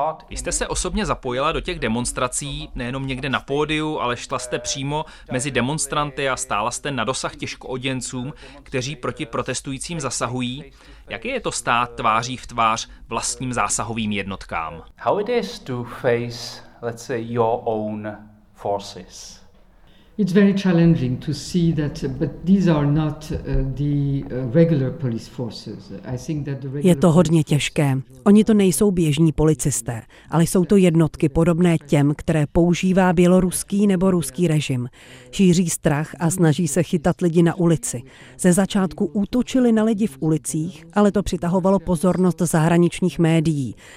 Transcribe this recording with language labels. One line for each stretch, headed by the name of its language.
Czech: Vy jste se osobně zapojila do těch demonstrací, nejenom někde na pódiu, ale šla jste přímo mezi demonstranty a stála jste na dosah těžkooděncům, kteří proti protestujícím zasahují. Jaké je to stát tváří v tvář vlastním zásahovým jednotkám?
English: How it is to face, let's say, your own forces? It's very challenging to see that, but these are not the regular police forces. I think that the
Czech: Je to hodně těžké. Oni to nejsou běžní policisté, ale jsou to jednotky podobné těm, které používá běloruský nebo ruský režim. Šíří strach a snaží se chytat lidi na ulici. Ze začátku útočili na lidi v ulicích, ale to přitahovalo pozornost zahraničních médií.